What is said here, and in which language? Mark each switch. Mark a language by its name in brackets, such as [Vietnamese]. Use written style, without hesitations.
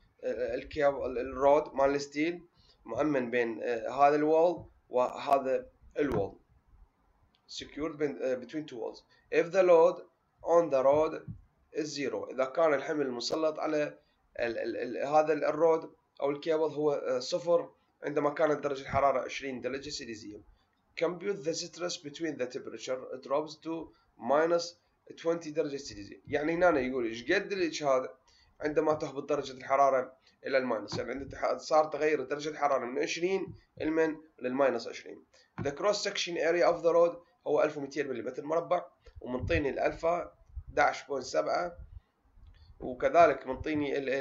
[Arabic] الكياب الرود مال الستيل مؤمن بين هذا الوول وهذا الوول [English] secured between two walls. If the load on the road is zero, [Arabic] إذا كان الحمل المسلط على هذا الرود أو الكيبل هو صفر عندما كانت درجة الحرارة 20 درجة سيليزيوم. [English] Compute the stress between the temperature drops to minus 20 [Arabic] درجة سيليزيوم. يعني هنا يقول إيش قد الإجهاد عندما تهبط درجة الحرارة إلى الماينس، يعني عند صار تغير درجة الحرارة من 20 المن للماينس 20. [English] The cross section area of the road [Arabic] هو 1200 ملم مربع ومنطيني الألفا 11.7 وكذلك منطيني